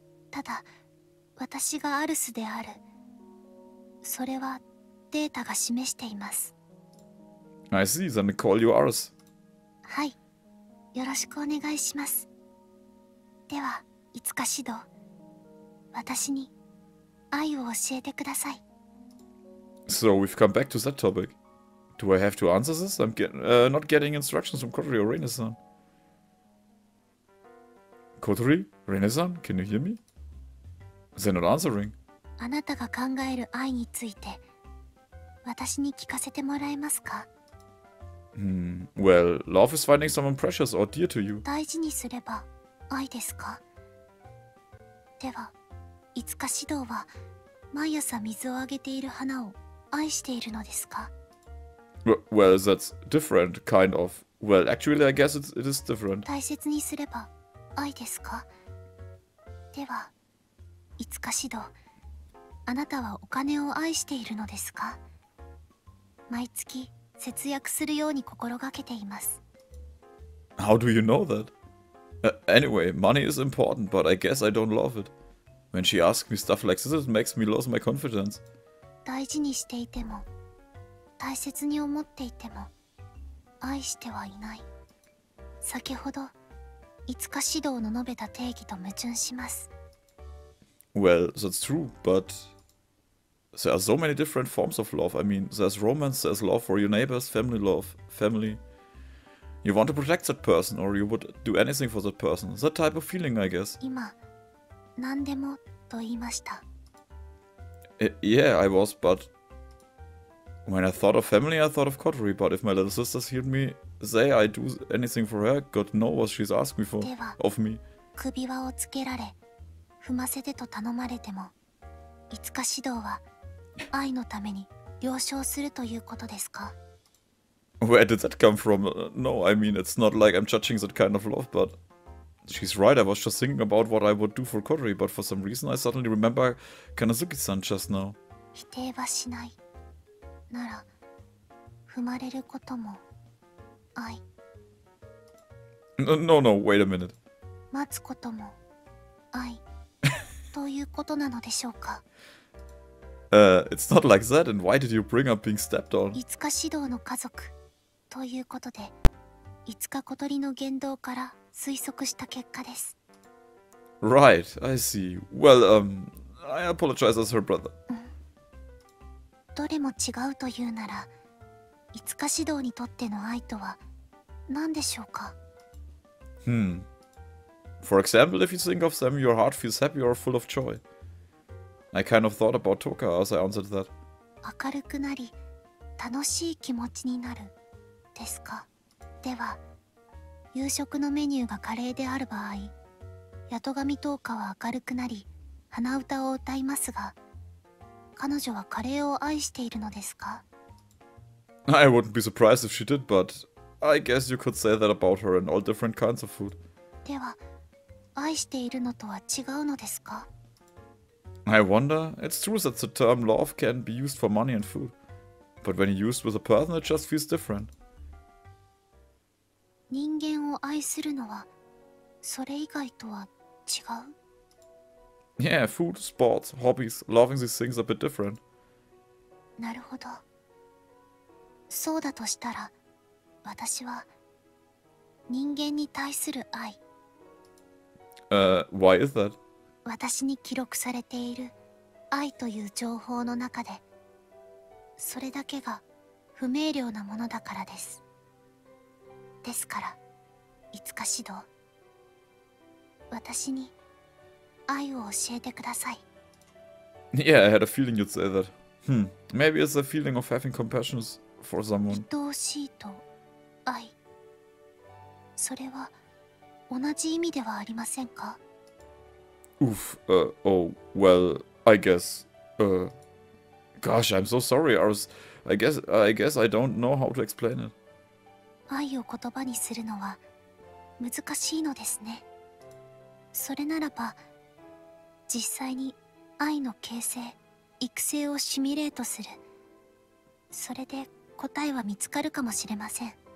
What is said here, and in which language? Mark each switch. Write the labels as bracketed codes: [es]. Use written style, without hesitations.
[ja] ただ、私がアルスである。それはデータが示しています。 [en] I see. Then I call you Arus. [ja] はい。よろしくお願いします。では、いつか指導。私に愛を教えてください。 [en] So we've come back to that topic. Do I have to answer this? I'm not getting instructions from Kotori or Reina-san. Kotori? Reina-san? Can you hear me? Is they not answering? [ja] あなたが考える愛について私に聞かせてもらえますか? [en] Well, love is finding someone precious or dear to you. [ja] 大事にすれば愛ですか?では、いつか指導は毎朝水をあげている花を愛しているのですか? [en] Well, that's different, kind of. Well, actually, I guess it is different. [ja] 大切にすれば愛ですか?では、いつか指導、あなたはお金を愛しているのですか? 毎月節約するように心がけています。 [en] How do you know that? Anyway, money is important, but I guess I don't love it. When she asks me stuff like this, it makes me lose my confidence. [ja] 大事にしていても、大切に思っていても、愛してはいない。先ほど、いつか指導の述べた定義と矛盾します。 [en] Well, that's true, but there are so many different forms of love. I mean, there's romance, there's love for your neighbors, family love, family. You want to protect that person, or you would do anything for that person. That type of feeling, I guess. [ja] 今、何でもと言いました。 [en] Yeah, I was, but when I thought of family, I thought of Kotori. But if my little sister heard me say I'd do anything for her, God knows what she's asking me for, of me. [ja] 首輪をつけられ。踏ませてと頼まれても、いつか指導は愛のために了承するということですか? [en] Where did that come from? No, I mean, it's not like I'm judging that kind of love, but she's right, I was just thinking about what I would do for Kotori, but for some reason I suddenly remember Kanazuki-san just now. [ja] 否定はしない。なら、踏まれることも愛。 [en] No, wait a minute. [ja] 待つことも愛。ということなのでしょうか? [en] It's not like that, and why did you bring up being stepped on? [ja] いつか指導の家族ということで、いつか小鳥の言動から推測した結果です。 [en] Right, I see. Well, I apologize as her brother. [ja] どれも違うというなら、いつか指導にとっての愛とは何でしょうか? [en] For example, if you think of them, your heart feels happy or full of joy. I kind of thought about Toka as I answered that. [ja] 明るくなり、楽しい気持ちになるですか。では、夕食のメニューがカレーである場合、ヤトガミトーカは明るくなり、鼻歌を歌いますが、彼女はカレーを愛しているのですか? [en] I wouldn't be surprised if she did, but I guess you could say that about her and all different kinds of food. [ja] では、愛しているのとは違うのですか? [en] I wonder. It's true that the term love can be used for money and food. But when used with a person, it just feels different. [ja] 人間を愛するのは、それ以外とは違う? [en] Yeah, food, sports, hobbies, loving these things are a bit different. [ja] なるほど。そうだとしたら、私は、人間に対する愛。 [en] Why is that? [ja] 私に記録されている愛という情報の中で、それだけが不明瞭なものだからです。ですから、いつか指導、私に愛を教えてください。 [en] Yeah, I had a feeling you'd say that. Maybe it's a feeling of having compassion for someone. [ja] 愛おしいと愛、それは同じ意味ではありませんか? [en] Oof, well, I guess, gosh, I'm so sorry, I guess I don't know how to explain it. [ja] 愛を言葉にするのは難しいのですね。それならば、実際に愛の形成、育成をシミュレートする。それで答えは見つかるかもしれません。